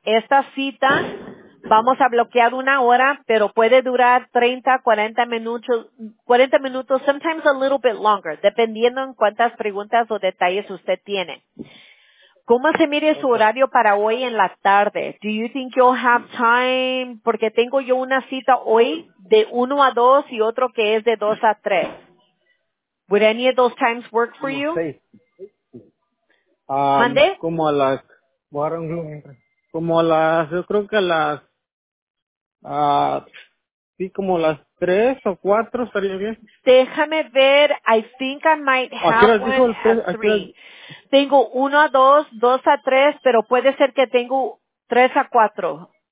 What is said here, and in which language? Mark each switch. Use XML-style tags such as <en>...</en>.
<es>Esta cita vamos a bloquear 1 hora, pero puede durar 30, 40 minutos,</es> <en>sometimes a little bit longer,</en> <es>dependiendo en cuántas preguntas o detalles usted tiene. ¿Cómo se mide su horario para hoy en la tarde?</es> <en>Do you think you'll have time?</en> <es>Porque tengo yo una cita hoy de 1 a 2 y otro que es de 2 a 3.</es> <en>Would any of those times work for you?</en> <es>¿Mande? Como a las, yo creo que a las, sí, como las 3 o 4 estaría bien. Déjame ver,</es> <en>I think I might have</en> <es>tengo 1 a 2, 2 a 3, pero puede ser que tengo 3 a 4.</es>